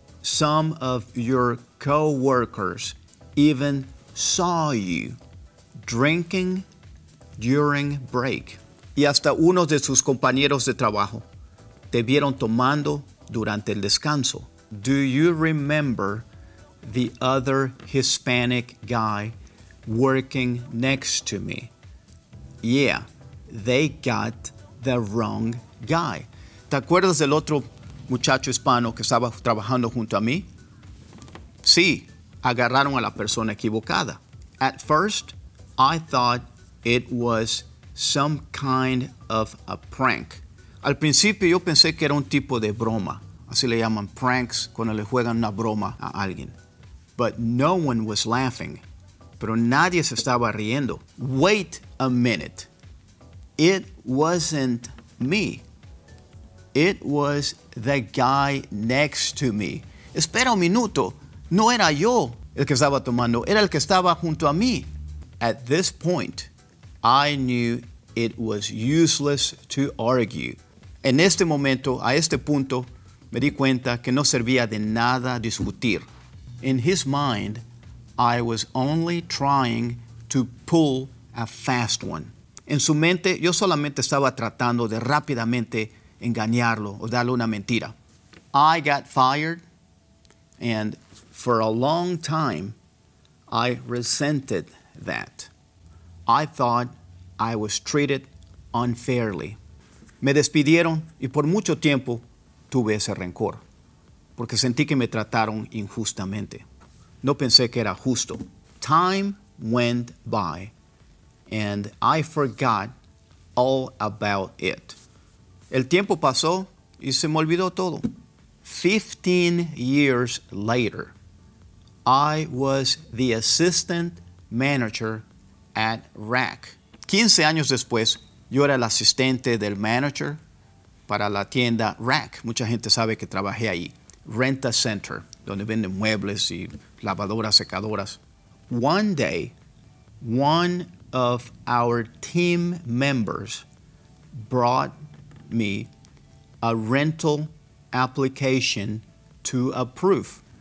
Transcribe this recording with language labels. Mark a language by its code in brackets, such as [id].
[en] Some of your coworkers even saw you drinking during break. [es] Y hasta unos de sus compañeros de trabajo te vieron tomando durante el descanso. [en] Do you remember the other Hispanic guy working next to me? Yeah, they got the wrong guy. [es] ¿Te acuerdas del otro muchacho hispano que estaba trabajando junto a mí? Sí, agarraron a la persona equivocada. [en] At first, I thought it was some kind of a prank. [es] Al principio yo pensé que era un tipo de broma. Así le llaman pranks, cuando le juegan una broma a alguien. [en] But no one was laughing. [es] Pero nadie se estaba riendo. [en] Wait a minute. It wasn't me. It was the guy next to me. [es] Espera un minuto. No era yo el que estaba tomando. Era el que estaba junto a mí. [en] At this point, I knew it was useless to argue. [es] En este momento, a este punto, me di cuenta que no servía de nada discutir. [en] In his mind, I was only trying to pull a fast one. [es] En su mente, yo solamente estaba tratando de rápidamente engañarlo o darle una mentira. [en] I got fired, and for a long time, I resented that. I thought I was treated unfairly. [es] Me despidieron, y por mucho tiempo tuve ese rencor, porque sentí que me trataron injustamente. No pensé que era justo. [en] Time went by, and I forgot all about it. [es] El tiempo pasó, y se me olvidó todo. [en] 15 years later, I was the assistant manager at RAC. [es] 15 años después, yo era el asistente del manager para la tienda RAC. Mucha gente sabe que trabajé ahí. Renta Center, donde venden muebles y lavadoras, secadoras. [en] One day, one of our team members brought me a rental application to approve.